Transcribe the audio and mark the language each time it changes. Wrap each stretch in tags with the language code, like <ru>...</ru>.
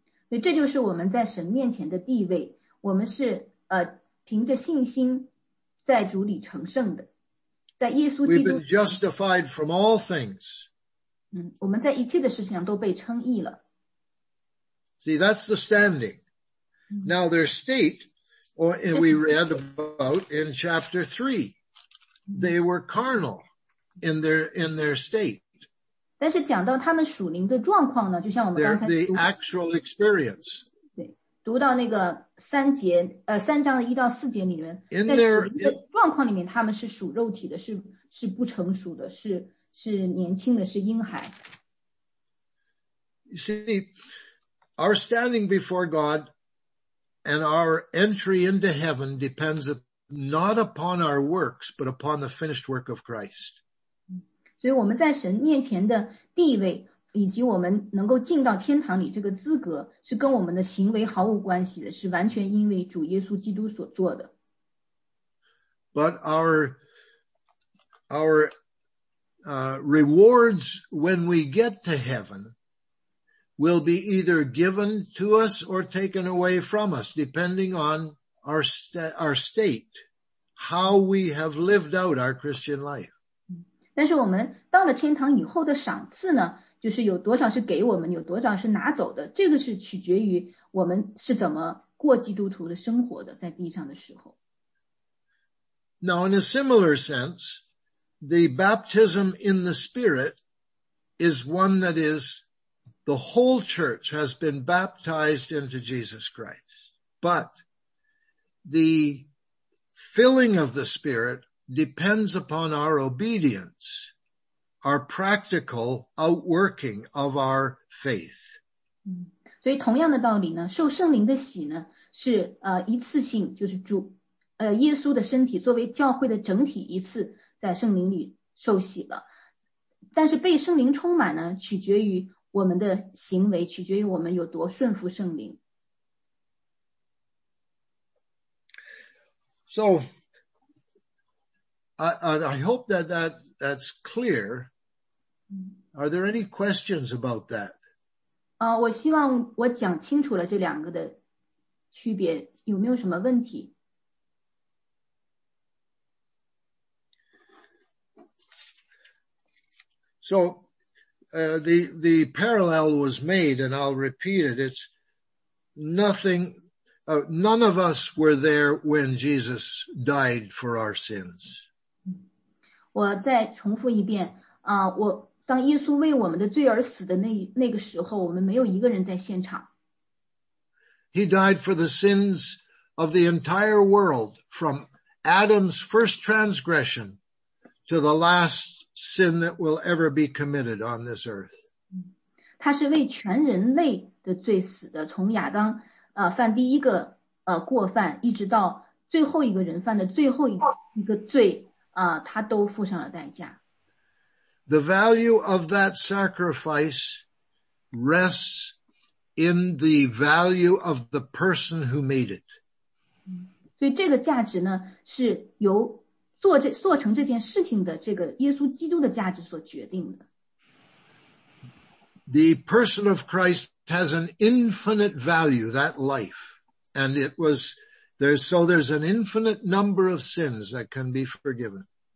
<zh>所以这就是我们在神面前的地位，我们是凭着信心在主里成圣的。</zh> <en>We've been justified from all things.</en> <zh>我们在一切的事情上都被称义了。</zh> <en>See, that's the standing. Now their state, we read about in chapter 3, they were carnal. in their state.</en> <zh>但是讲到他们属灵的状况呢，就像我们刚才读</zh> <en>the actual experience.</en> <zh>对，读到那个三节，三章的一到四节里面，在属灵的状况里面，他们是属肉体的，是不成熟的，是年轻的，是婴孩。</zh> <en>You see, our standing before God and our entry into heaven depends not upon our works, but upon the finished work of Christ.</en> <zh>所以我们在神面前的地位以及我们能够进到天堂里这个资格是跟我们的行为毫无关系的，是完全因为主耶稣基督所做的。</zh> <en>But our rewards when we get to heaven,will be either given to us or taken away from us, depending on our state, how we have lived out our Christian life.</en> <zh>但是我们到了天堂以后的赏赐呢，就是有多少是给我们，有多少是拿走的，这个是取决于我们是怎么过基督徒的生活的，在地上的时候。</zh> <en>Now, in a similar sense, the baptism in the Spirit is one that is... The whole church has been baptized into Jesus Christ, but the filling of the Spirit depends upon our obedience, our practical outworking of our faith.</en> <zh>所以同样的道理呢，受圣灵的洗呢，是一次性，就是主耶稣的身体作为教会的整体一次在圣灵里受洗了，但是被圣灵充满呢，取决于我们的行为，取决于我们有多顺服圣灵。</zh> <en>So I hope that's clear. Are there any questions about that?</en> <zh>我希望我讲清楚了这两个的区别，有没有什么问题？</zh> <en>SoThe parallel was made, and I'll repeat it. It's nothing, none of us were there when Jesus died for our sins.</en> <zh>我再重复一遍，我当耶稣为我们的罪而死的那个时候，我们没有一个人在现场。</zh> <en>He died for the sins of the entire world, from Adam's first transgression to the last. Sin that will ever be committed on this earth.</en> <zh>他是为全人类的罪死的，从亚当犯第一个过犯，一直到最后一个人犯的最后一个罪他都付上了代价。</zh> <en>The value of that sacrifice rests in the value of the person who made it.</en> <zh>所以这个价值呢，是由做成这件事情的这个耶稣基督的价值所决定的。</zh> <en>The person of Christ has an infinite value, that life. And it was, there's an infinite number of sins that can be forgiven.</en>